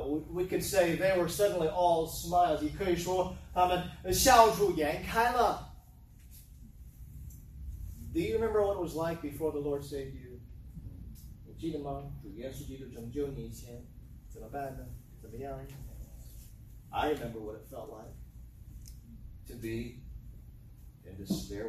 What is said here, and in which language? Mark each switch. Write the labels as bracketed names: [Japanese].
[English] We could say they were suddenly all smiles. [Chinese] 也可以说他们笑逐颜开了。 [English] Do you remember what it was like before the Lord saved you? [Chinese] 你记得吗？主耶稣基督拯救你以前怎么办呢？怎么样？ [English] I remember what it felt like to be in despair.